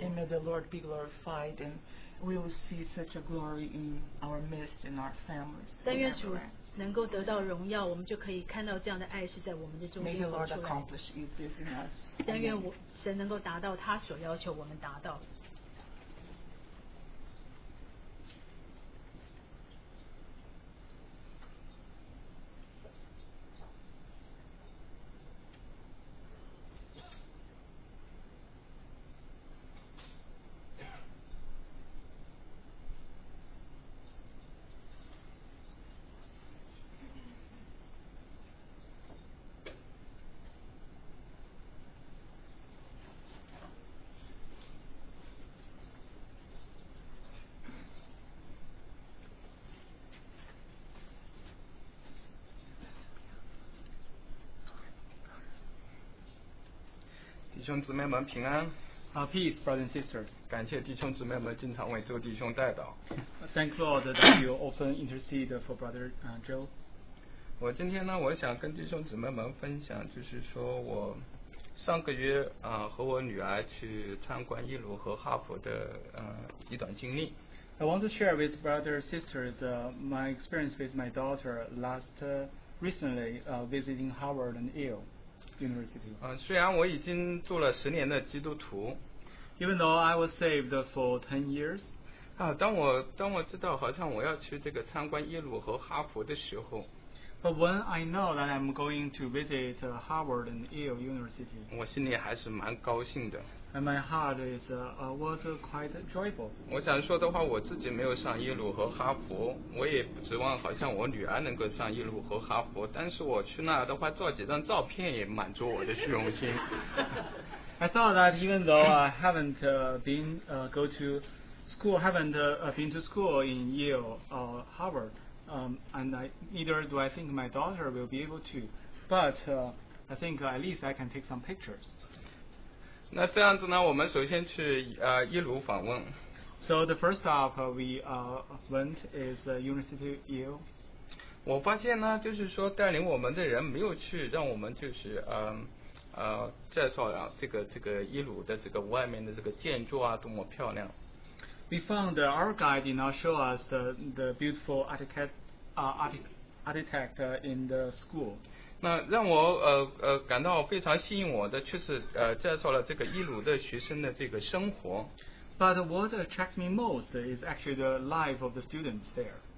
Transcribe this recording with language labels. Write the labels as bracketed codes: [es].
[en] And may the Lord be glorified, and we will see such a glory in our midst, in our families. [zh] 但愿主能够得到荣耀，我们就可以看到这样的爱是在我们的中间活出来。 [en] May the Lord accomplish this in us. [zh] 但愿我神能够达到他所要求我们达到。弟兄姊妹们平安。 [en] Peace, brothers and sisters. [zh] 感谢弟兄姊妹们经常为这个弟兄代祷。 [en] Thank Lord that you often intercede for brother Joe. [zh] 我今天呢，我想跟弟兄姊妹们分享，就是说我上个月和我女儿去参观耶鲁和哈佛的一段经历。 [en] I want to share with brother and sisters my experience with my daughter recently visiting Harvard and Yale. [zh] 虽然我已经做了十年的基督徒 [en] ，Even though I was saved for 10 years， [zh] 当我知道好像我要去这个参观耶鲁和哈佛的时候 [en] ，But when I know that I'm going to visit Harvard and Yale University， [zh] 我心里还是蛮高兴的 [en] ，And my heart is was quite joyful。 [zh] 我想说的话，我自己没有上耶鲁和哈佛，我也不指望好像我女儿能够上耶鲁和哈佛，但是我去那的话，照几张照片也满足我的虚荣心。 [en] I thought that even though I haven't been go to school, haven't been to school in Yale or Harvard, neither do I think my daughter will be able to, but I think at least I can take some pictures. [zh] 那这样子呢，我们首先去耶鲁访问。 [en] So the first stop we went is the University of Yale. [zh] 我发现呢，就是说带领我们的人没有去让我们就是介绍啊这个耶鲁的这个外面的这个建筑啊多么漂亮。 [en] We found that our guide did not show us the beautiful architect in the school. [zh] 那让我感到非常吸引我的，却是介绍了这个耶鲁的学生的这个生活。 [en] But what attracts me most is actually the life of the students there.